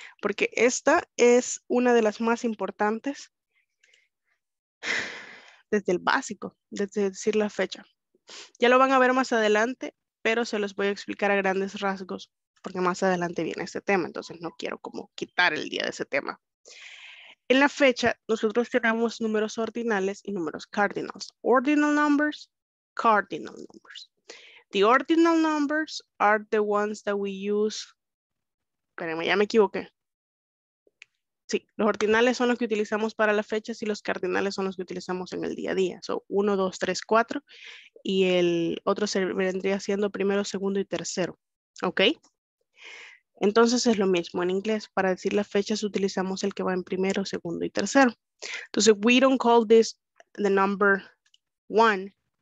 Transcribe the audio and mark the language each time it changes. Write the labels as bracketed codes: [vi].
[es] Porque esta es una de las más importantes desde el básico, desde decir la fecha. Ya lo van a ver más adelante, pero se los voy a explicar a grandes rasgos porque más adelante viene este tema, entonces no quiero como quitar el día de ese tema. En la fecha, nosotros tenemos números ordinales y números cardinals. [en] Ordinal numbers, cardinal numbers. The ordinal numbers are the ones that we use. [es] Espérenme, ya me equivoqué. Sí, los ordinales son los que utilizamos para las fechas y los cardinales son los que utilizamos en el día a día. So, 1, 2, 3, 4. Y el otro se vendría siendo primero, segundo y tercero. ¿Ok? Entonces es lo mismo en inglés. Para decir las fechas utilizamos el que va en primero, segundo y tercero. [en] Entonces, we don't call this the number one.